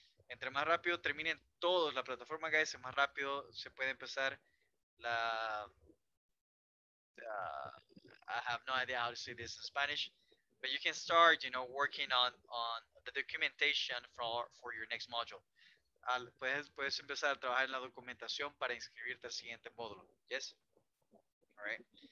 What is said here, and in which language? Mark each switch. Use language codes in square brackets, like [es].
[es] Entre más rápido terminen todos la plataforma, guys, más rápido se puede empezar la... [en] I have no idea how to say this in Spanish, but you can start, you know, working on the documentation for your next module. [es] Puedes empezar a trabajar en la documentación para inscribirte al siguiente módulo. Yes? All right.